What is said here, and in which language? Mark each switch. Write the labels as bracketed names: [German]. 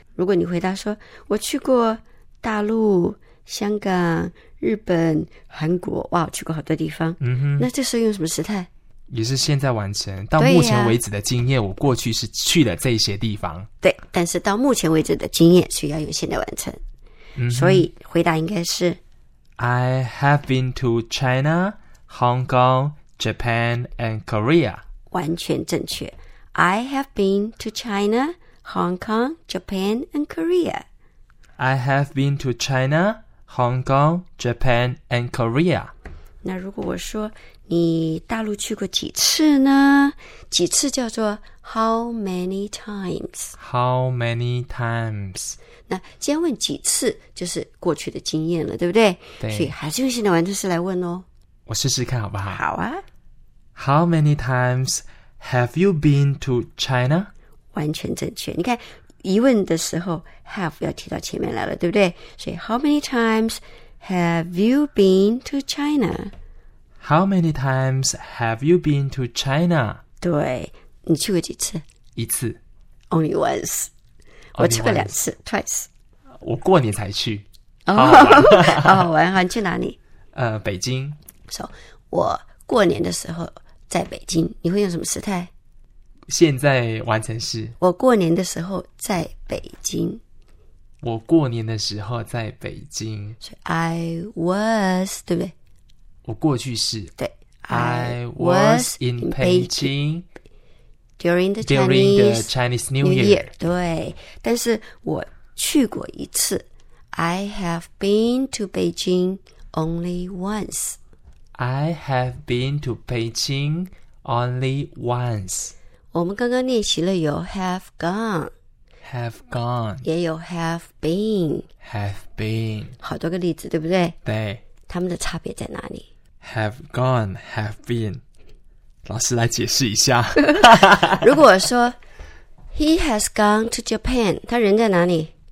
[Chinese] 如果你回答说我去过大陆、香港、日本、韩国，哇，去过好多地方。嗯哼，那这时候用什么时态？也是现在完成。到目前为止的经验，我过去是去了这些地方。对，但是到目前为止的经验是要用现在完成。嗯，所以回答应该是 [English] I have been to China, Hong Kong, Japan, and Korea. [Chinese] 完全正确。 [English] I have been to China, Hong Kong, Japan, and Korea. I have been to China, Hong Kong, Japan, and Korea. [Chinese] 那如果我说你大陆去过几次呢？几次叫做 [English] How many times? How many times? [Chinese] 那既然问几次，就是过去的经验了，对不对？对。所以还是用现在完成式来问哦。我试试看好不好？好啊。 [English] How many times? Have you been to China? [Chinese] 完全正确。你看，疑问的时候 have 要提到前面来了，对不对？所以 [English] How many times have you been to China? How many times have you been to China? [Chinese] 对，你去过几次？一次。 [English] Only once. [Chinese] 我去过两次 ，twice. 我过年才去。 Oh, 好好玩，好好玩。你去哪里？北京。 So, 我过年的时候。在北京，你会用什么时态？现在完成式。我过年的时候在北京。我过年的时候在北京。所以 [English] I was, [Chinese] 对不对？我过去式。对。 [English] I was in Beijing during the Chinese New Year. [Chinese] 对。但是我去过一次。 [English] I have been to Beijing only once. I have been to Beijing only once. [Chinese] 我们刚刚练习了有 [English] have gone, have gone, [Chinese] 也有 [English] have been, have been. [Chinese] 好多个例子，对不对？对。他们的差别在哪里？ [English] Have gone, have been. [Chinese] 老师来解释一下。 [English] 如果说 he has gone to Japan, 他人在哪里？